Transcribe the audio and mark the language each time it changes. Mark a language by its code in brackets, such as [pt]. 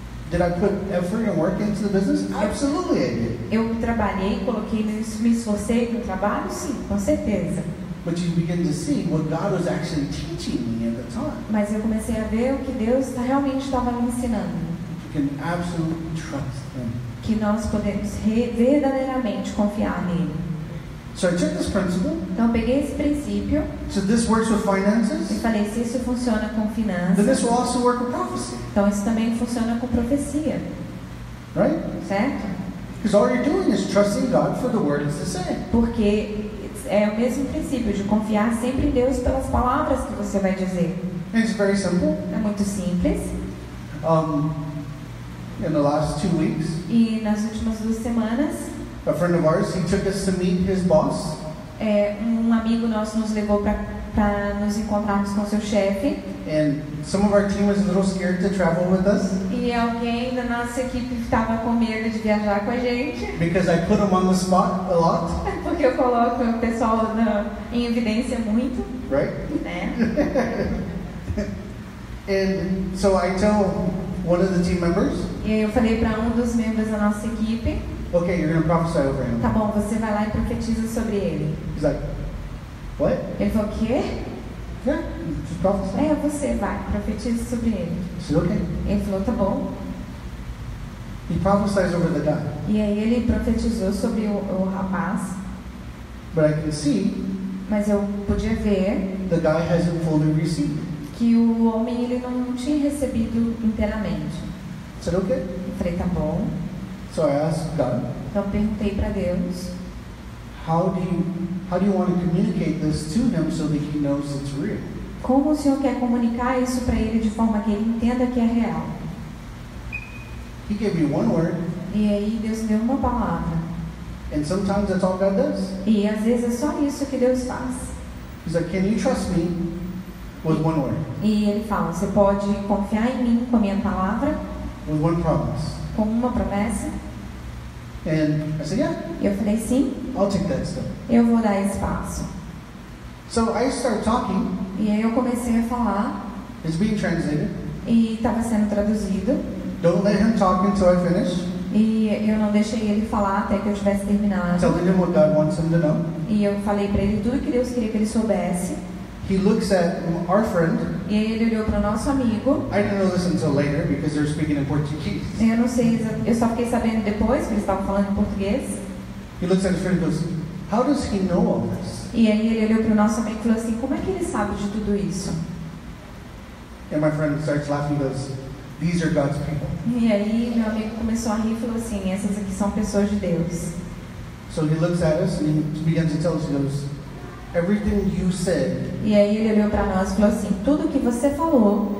[en] Did I put effort and work into the business? Absolutely, I did. [pt] Eu trabalhei, coloquei, me esforcei no trabalho, sim, com certeza. [en] But you begin to see what God was actually teaching me at the time. [pt] Mas eu comecei a ver o que Deus realmente estava me ensinando. [en] You can absolutely trust Him. [pt] Que nós podemos verdadeiramente confiar nele. [en] So I took this principle. [pt] Então peguei esse princípio. [en] So this works with finances. [pt] E falei, se isso funciona com finanças. [en] Then this will also work with prophecy. [pt] Então isso também funciona com profecia. [en] Right? [pt] Certo? [en] Because all you're doing is trusting God for the word it's to say. [pt] Porque é o mesmo princípio de confiar sempre em Deus pelas palavras que você vai dizer. [en] It's very simple. [pt] É muito simples. [en] In the last 2 weeks. [pt] E nas últimas 2 semanas. [en] A friend of ours, he took us to meet his boss. [pt] É, um amigo nosso nos levou para nos encontrarmos com seu chefe. [en] And some of our team was a little scared to travel with us. [pt] E alguém da nossa equipe estava com medo de viajar com a gente. [en] Because I put him on the spot a lot. [pt] Porque eu coloco o pessoal em evidência muito. [en] Right? [pt] Né? [en] And so I tell one of the team members. [pt] E eu falei para um dos membros da nossa equipe. [en] Okay, you're going to prophesy over him. [pt] Tá bom, você vai lá e profetiza sobre ele. [en] He's like, what? [pt] Ele falou, o quê? [en] Yeah, just prophesy. [pt] É, você vai, profetiza sobre ele. [en] He said, okay. [pt] Ele falou, tá bom. [en] He prophesies over the guy. [pt] E aí ele profetizou sobre o rapaz. [en] But I can see. [pt] Mas eu podia ver. [en] The guy hasn't fully received. [pt] Que o homem, ele não tinha recebido inteiramente. [en] I said, okay. [pt] Eu falei, tá bom. [en] So I asked God. [pt] Então eu perguntei para Deus. [en] How do you want to communicate this to him so that he knows it's real? [pt] Como o Senhor quer comunicar isso para ele de forma que ele entenda que é real? [en] He gave me one word. [pt] E aí Deus me deu uma palavra. [en] And sometimes that's all God does. [pt] E às vezes é só isso que Deus faz. [en] He said, "Can you trust me with one word?" [pt] E ele fala, você pode confiar em mim com a minha palavra? [en] With one promise. [pt] Com uma promessa. [en] And I said, yeah. [pt] E eu falei, sim. [en] I'll take that step. [pt] Eu vou dar espaço. [en] So I start talking. [pt] E aí eu comecei a falar. [en] It's being translated. [pt] E estava sendo traduzido. [en] Don't let him talk until I finish. [pt] E eu não deixei ele falar até que eu tivesse terminado. [en] Telling him what God wants him to know. [pt] E eu falei para ele tudo que Deus queria que ele soubesse. [en] He looks at our friend. [pt] E aí ele olhou para o nosso amigo. [en] I didn't know this until later because they're speaking in Portuguese. [pt] Eu não sei, eu só fiquei sabendo depois que eles estavam falando em português. [en] He looks at his friend and goes, "How does he know all this?" [pt] E aí ele olhou para o nosso amigo e falou assim, como é que ele sabe de tudo isso? [en] And my friend starts laughing and goes, "These are God's people." [pt] E aí meu amigo começou a rir e falou assim, essas aqui são pessoas de Deus. [en] So he looks at us and he begins to tell us, he goes, Everything you said. [pt] E aí ele olhou para nós e falou assim: tudo que você falou